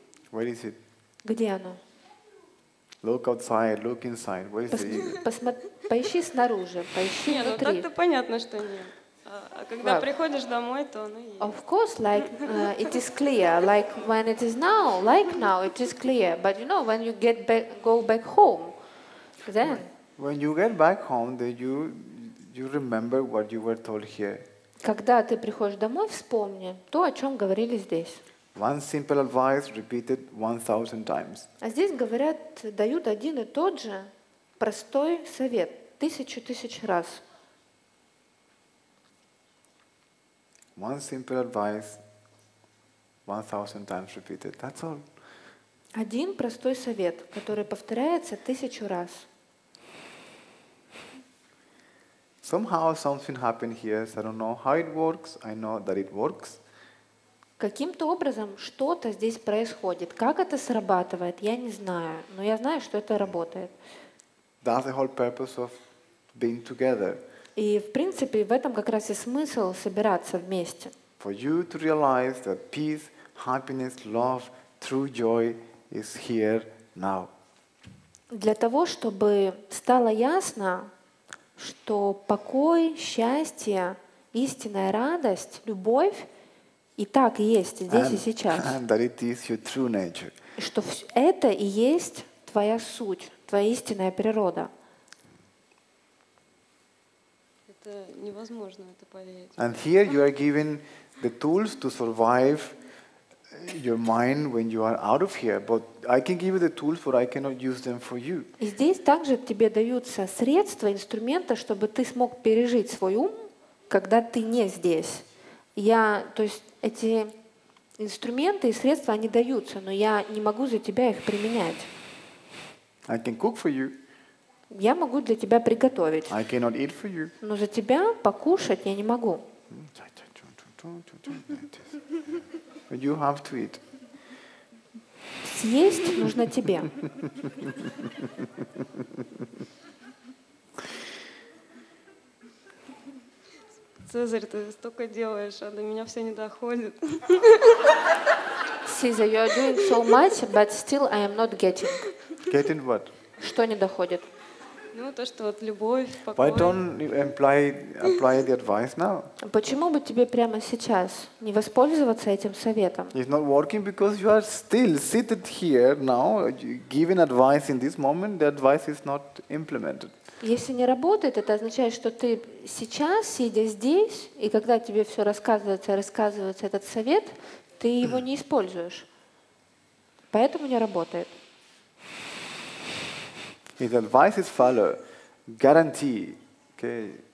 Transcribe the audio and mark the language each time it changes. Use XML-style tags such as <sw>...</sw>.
<en>Where is it?</en> <ru>Где оно?</ru> <en>Look outside, look inside. Where is the ego?</en> <ru>Поищи снаружи, поищи внутри. Нет, ну так-то понятно, что нет. А когда приходишь домой, то оно есть.</ru> <en>Of course, like it is clear. Like when it is now, like now, it is clear. But you know, when you get back, go back home, then. When you get back home, then you remember what you were told here.</en> <ru>Когда ты приходишь домой, вспомни то, о чем говорили здесь.</ru> <en>One simple advice repeated 1,000 times.</en> <ru>А здесь говорят, дают один и тот же простой совет тысячу раз.</ru> <en>One simple advice 1,000 times repeated. That's all.</en> <ru>Один простой совет, который повторяется тысячу раз.</ru> <en>Somehow something happened here. So I don't know how it works. I know that it works.</en> <ru>Каким-то образом что-то здесь происходит. Как это срабатывает, я не знаю. Но я знаю, что это работает.</ru> <en>That's the whole purpose of being together.</en> <ru>И, в принципе, в этом как раз и смысл собираться вместе.</ru> <en>For you to realize that peace, happiness, love, true joy is here now.</en> <ru>Для того, чтобы стало ясно, что покой, счастье, истинная радость, любовь и так и есть здесь</ru> <en>and,</en> <ru>и сейчас.</ru> <en>And that it is your true nature.</en> <ru>Что это и есть твоя суть, твоя истинная природа. Это невозможно, это поверить.</ru> <en>And here you are given the tools to survive your mind when you are out of here. But I can give you the tools, but I cannot use them for you.</en> <ru>И здесь также тебе даются средства, инструменты, чтобы ты смог пережить свой ум, когда ты не здесь. Я, то есть эти инструменты и средства, они даются, но я не могу за тебя их применять.</ru> <en>I can cook for you.</en> <ru>Я могу для тебя приготовить.</ru> <en>I cannot eat for you.</en> <ru>Но за тебя покушать я не могу.</ru> <en>You have to eat.</en> <ru>Съесть нужно тебе. Цезарь, ты столько делаешь, а до меня все не доходит.</ru> <en>Сиза, you are doing so much, but still I am not getting. Getting what?</en> <ru>Что не доходит? Ну, то, что вот любовь, покой.</ru> <en>Why don't you apply the advice now?</en> <ru>Почему бы тебе прямо сейчас не воспользоваться этим советом?</ru> <en>It's not working because you are still seated here now, giving advice in this moment, the advice is not implemented.</en> <ru>Если не работает, это означает, что ты сейчас, сидя здесь, и когда тебе все рассказывается этот совет, ты его не используешь. Поэтому не работает.</ru> <en>His advice is follow. Guarantee. Okay.</en>